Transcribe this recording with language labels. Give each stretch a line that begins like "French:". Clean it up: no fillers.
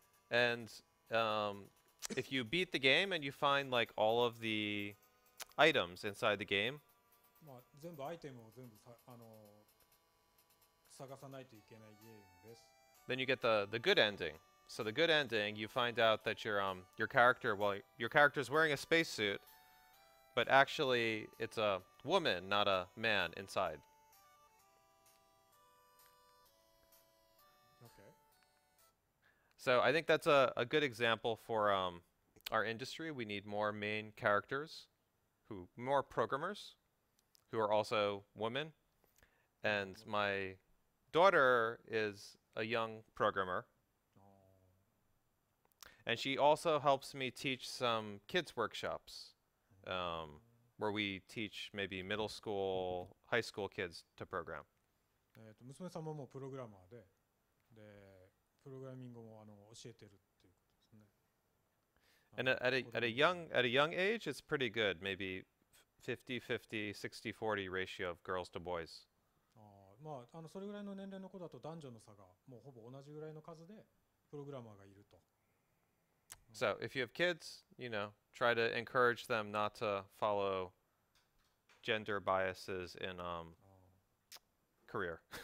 English: And if you beat the game and you find like all of the items inside the game,
Japanese: まあ、全部アイテムを全部さ、探さないといけないゲームです。
English: Then you get the good ending. So the good ending, you find out that your character, well, your character is wearing a spacesuit, but actually it's a woman, not a man, inside. Okay. So I think that's a good example for our industry. We need more main characters, more programmers, who are also women. And my daughter is a young programmer. And she also helps me teach some kids' workshops where we teach maybe middle school, high school kids to program.
Japanese: 娘さんももうプログラマーで、で、プログラミングも教えてるっていうことですね。
English: And at a young age, it's pretty good. Maybe 50-50, 60-40 ratio of girls to boys.
Japanese: まあ、それぐらいの年齢の子だと男女の差がもうほぼ同じぐらいの数でプログラマーがいると。
English: So, if you have kids, you know, try to encourage them not to follow gender biases in career.